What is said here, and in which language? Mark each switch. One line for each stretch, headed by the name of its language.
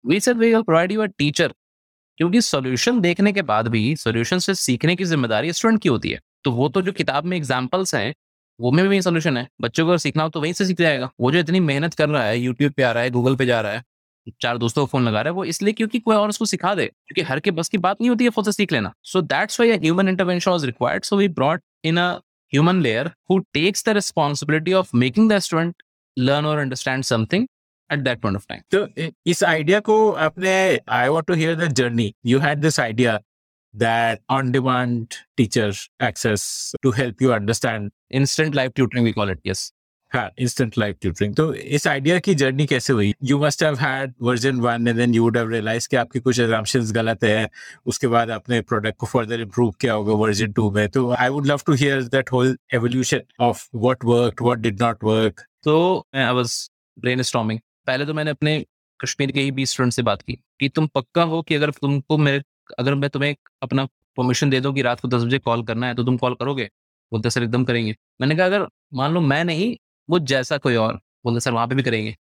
English: we said we will provide you a teacher,
Hindi: क्योंकि solution देखने के बाद भी सोल्यूशन से सीखने की जिम्मेदारी स्टूडेंट की होती है, तो वो तो जो किताब में एग्जांपल्स हैं वो में भी सोल्यूशन है। बच्चों को सीखना हो तो वहीं से सीख जाएगा, वो जो इतनी मेहनत कर रहा है यूट्यूब पे आ रहा है, गूगल पे जा रहा है, 4 दोस्तों को फोन लगा रहा है, वो इसलिए क्योंकि कोई और उसको सिखा दे, क्योंकि हर के बस की बात नहीं होती है खुद से सीख लेना।
English: So that's why a human intervention was required. So we brought in a human layer who takes the responsibility of making the student learn or understand something at that point of time. So,
Hindi: is idea ko apne,
English: I want to hear the journey. You had this idea that on-demand teacher access to help you understand. Instant live tutoring, we call it, yes. instant live tutoring. So, this idea
Hindi: ki journey kaise hui?
English: You must have had version 1 and then you would have realized that your assumptions are wrong. After that, your product ko further improve kiya hoga version 2. Mein. So, I would love to hear that whole evolution of what worked, what did not work. So, I was brainstorming.
Hindi: पहले तो मैंने अपने कश्मीर के ही 20 student से बात की कि तुम पक्का हो कि अगर तुमको मेरे अगर मैं तुम्हें अपना परमिशन दे दूं कि रात को 10 बजे कॉल करना है तो तुम कॉल करोगे. बोलते सर एकदम करेंगे. मैंने कहा अगर मान लो मैं नहीं वो जैसा कोई और. बोलते सर वहाँ पे भी करेंगे.